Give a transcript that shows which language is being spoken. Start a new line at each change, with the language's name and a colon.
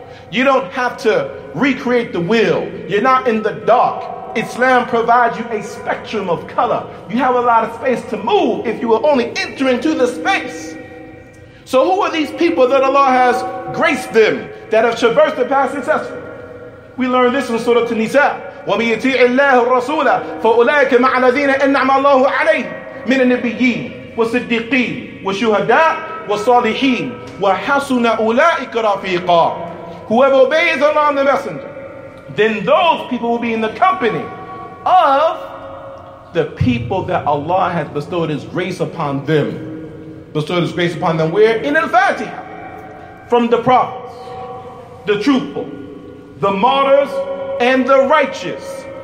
English: You don't have to recreate the wheel. You're not in the dark. Islam provides you a spectrum of color. You have a lot of space to move if you will only enter into the space. So who are these people that Allah has graced them that have traversed the path successfully? We learn this in Surah An-Nisa.
Arabic: وبيطيع الله الرسول فأولئك مع الذين أنعم الله عليه من النبيين والصديقين والشهداء والصالحين وحسن أولئك رفيقا.
English: Whoever obeys Allah and the Messenger, then those people will be in the company of the people that Allah has bestowed His grace upon them. Bestowed His grace upon them where? In al-Fatihah. From the prophets, the truthful, the martyrs, and the righteous.